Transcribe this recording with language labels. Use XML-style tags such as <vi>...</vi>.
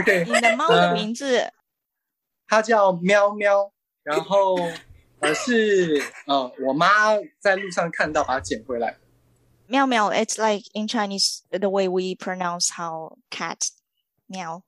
<en>Okay.</en> <zh>你的猫的名字。它叫喵喵，然后是我妈在路上看到把它捡回来。</zh> <en>喵喵, it's like in Chinese, the way we pronounce how cat, meow.</en>